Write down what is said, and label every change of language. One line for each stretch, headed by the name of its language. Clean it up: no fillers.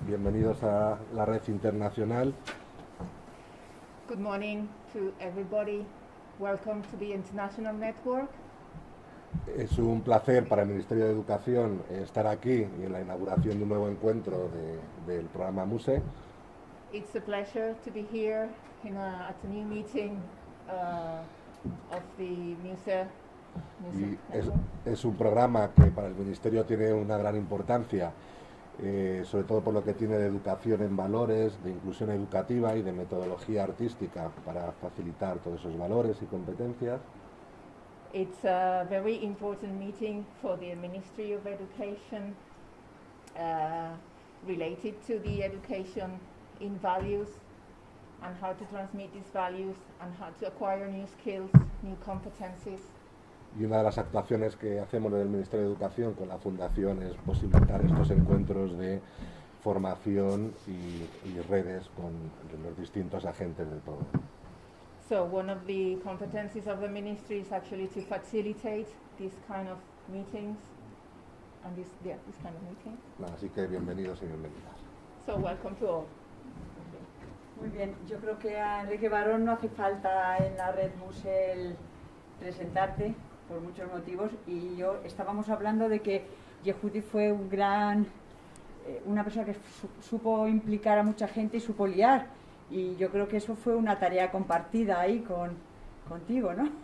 Spanish: Bienvenidos a la red internacional.
English: Good morning to everybody. Welcome to the international network.
Spanish: Es un placer para el Ministerio de Educación estar aquí y en la inauguración de un nuevo encuentro del programa MUSE.
English: It's a pleasure to be here in at a new meeting of the MUSE.
Spanish: Y es un programa que para el Ministerio tiene una gran importancia, sobre todo por lo que tiene de educación en valores, de inclusión educativa y de metodología artística para facilitar todos esos valores y competencias.
English: It's a very important meeting for the Ministry of Education related to the education in values and how to transmit these values and how to acquire new skills, new competencies.
Spanish: Y una de las actuaciones que hacemos desde el Ministerio de Educación con la Fundación es posibilitar estos encuentros de formación y redes con los distintos agentes del todo.
English: So one of the competencies of the ministry is actually to facilitate these kind of meetings and this kind of meeting.
Spanish: Así que bienvenidos y bienvenidas.
English: So welcome to all.
Spanish: Muy bien, yo creo que a Enrique Barón no hace falta en la red MUSE presentarte por muchos motivos, y yo estábamos hablando de que Yehudi fue un gran, una persona que supo implicar a mucha gente y supo liar, y yo creo que eso fue una tarea compartida ahí contigo, ¿no?